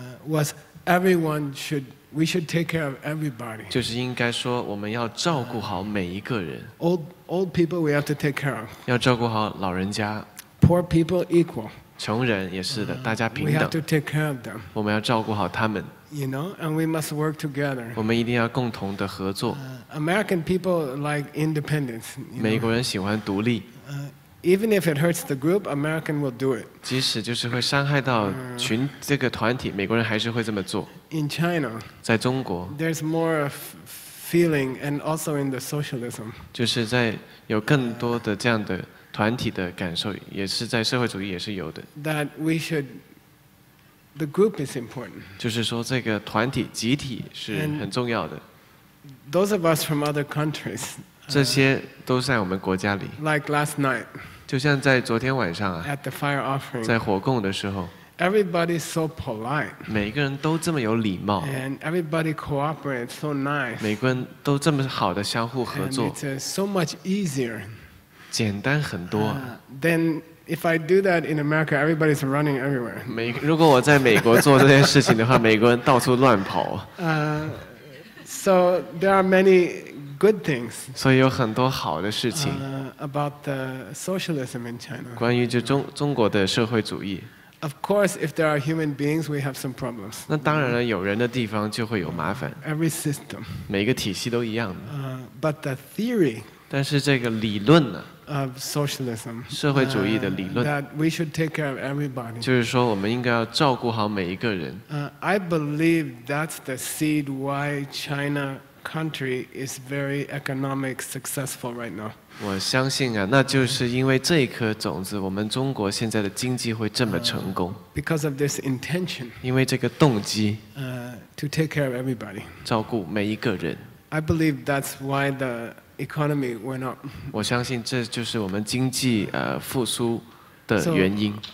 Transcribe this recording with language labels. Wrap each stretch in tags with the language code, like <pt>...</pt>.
<en>was everyone should we should take care of everybody.</en> <zh>就是应该说我们要照顾好每一个人</zh> <en>old people we have to take care of.</en> <zh>要照顾好老人家</zh> <en>poor people equal.</en> <zh>穷人也是的，大家平等</zh> <en>we have to take care of them.</en> <zh>我们要照顾好他们。</zh> <en>You know, and we must work together.</en> <zh>我们一定要共同的合作。</zh> <en>American people like independence.</en> <zh>美国人喜欢独立。</zh> <en>Even if it hurts the group, American will do it.</en> <zh>即使就是会伤害到群这个团体，美国人还是会这么做。</zh> <en>In China,</en> <zh>在中国</zh> <en>there's more feeling, and also in the socialism.</en> <zh>就是在有更多的这样的团体的感受，也是在社会主义也是有的。</zh> <en>That we should. The group is important.</en> <zh>就是说，这个团体集体是很重要的。</zh> <en>Those of us from other countries.</en> <zh>这些都在我们国家里。</zh> <en>Like last night.</en> <zh>就像在昨天晚上啊。</zh> <en>At the fire offering.</en> <zh>在火供的时候。</zh> <en>Everybody's so polite.</en> <zh>每个人都这么有礼貌。</zh> <en>And everybody cooperates so nice.</en> <zh>每个人都这么好的相互合作。</zh> <en>And it's so much easier.</en> <zh>简单很多。</zh> <en>Then. If I do that in America, everybody's running everywhere.</en> <zh>如果我在美国做这件事情的话，美国人到处乱跑。</zh> <en>So there are many good things.</en> <zh>所以有很多好的事情。</zh> <en>About the socialism in China.</en> <zh>关于就中国的社会主义。</zh> <en>Of course, if there are human beings, we have some problems.</en> <zh>那当然了，有人的地方就会有麻烦。</zh> <en>Every system.</en> <zh>每个体系都一样。</zh> <en>But the theory.</en> <zh>但是这个理论呢？</zh> <en>Of socialism,</en> <zh>社会主义的理论</zh> <en>that we should take care of everybody.</en> <zh>就是说我们应该要照顾好每一个人。</zh> <en>I believe that's the seed why China country is very economic successful right now.</en> <zh>我相信啊，那就是因为这一颗种子，我们中国现在的经济会这么成功。</zh> <en>Because of this intention.</en> <zh>因为这个动机。</zh> <en>To take care of everybody.</en> <zh>照顾每一个人。</zh> <en>I believe that's why the. Economy went up.</en> <zh>我相信这就是我们经济复苏的原因。</zh>